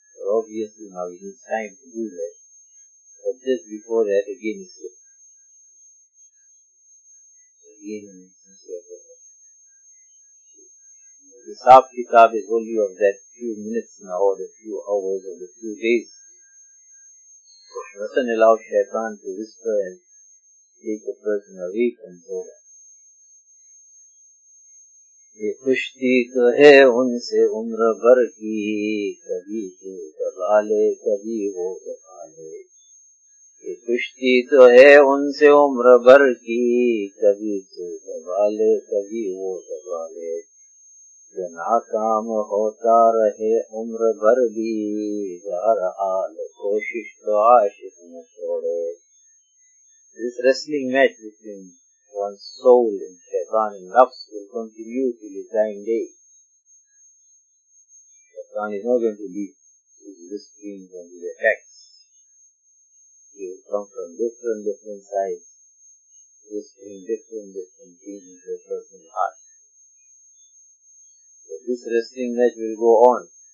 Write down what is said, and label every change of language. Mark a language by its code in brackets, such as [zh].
[en] obviously now it is time to do that. But just before that, again he said, the Sahab Kitab is only of that few minutes now, or the few hours, or the few days. It doesn't allow Shaitan to whisper and take a person away from Zohar. [hi] ये खुश्ती तो है उनसे उम्र भर की कभी तो दबा ले कभी वो दबा ले ये खुश्ती तो है उनसे उम्र भर की कभी तो दबा ले कभी वो दबा ले ये नाकाम होता रहे उम्र भर भी हर हाल कोशिश तो आशिक न छोड़े इस [en] Wrestling match between One's soul and Shaitan and nafs will continue till his dying day. Shaitan is not going to leave his whisperings and his attacks. He will come from different sides, whispering different things in the person's heart. So this wrestling match will go on.